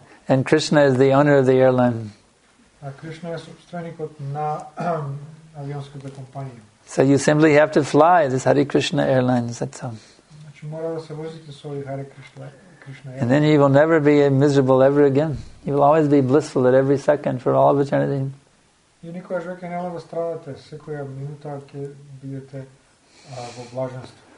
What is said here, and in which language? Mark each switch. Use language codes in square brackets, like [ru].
[en] And Krishna is the owner of the airline. [mk] Krishna je собственикот на авионската компанија. [en] So you simply have to fly this Hare Krishna Airlines, that's all. [mk] Значи мора да се возите со Hare Krishna Airlines. [en] And then you will never be miserable ever again. You will always be blissful at every second for all of eternity. [mk] И никогаш веќе нема да страдате, секоја минута ќе бидете во блаженство.